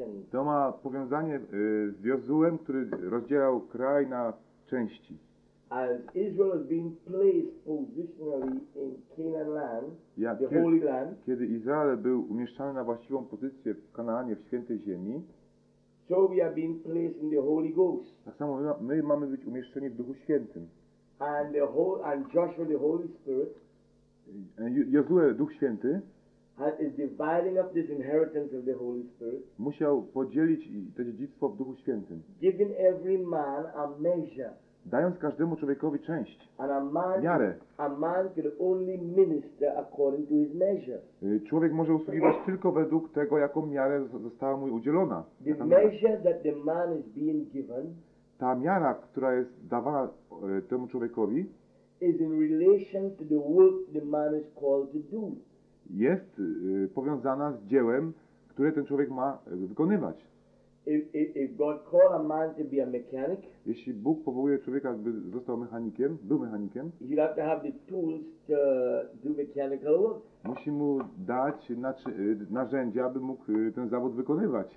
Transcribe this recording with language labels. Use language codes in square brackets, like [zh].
[pl] To ma powiązanie z Jozuem, który rozdzielał kraj na części. [en] As Israel has been placed positionally in Canaan land, the holy land. [pl] Kiedy Izrael był umieszczany na właściwą pozycję w Kanaanie, w świętej ziemi. [en] So we have been placed in the Holy Ghost. [pl] Tak samo my mamy być umieszczeni w Duchu Świętym. [en] And the whole and Joshua the Holy Spirit. [pl] Jozue, Duch Święty, [en] is dividing up this inheritance of the Holy Spirit. [pl] Musiał podzielić to dziedzictwo w Duchu Świętym. [en] Giving every man a measure. [pl] Dając każdemu człowiekowi część. [en] And a man, [pl] miarę. [en] A man can only minister according to his measure. [pl] Człowiek może usługiwać tylko według tego, jaką miarę została mu udzielona. [en] The measure that the man is being given. [pl] Ta miara, która jest dawana temu człowiekowi, [en] is in relation to the work the man is called to do. [pl] Jest powiązana z dziełem, które ten człowiek ma wykonywać. [en] If God called a man to be a mechanic, [pl] jeśli Bóg powołuje człowieka, by został mechanikiem, był mechanikiem, [en] he'll have to have the tools to do mechanical work. [pl] Musi mu dać narzędzia, aby mógł ten zawód wykonywać.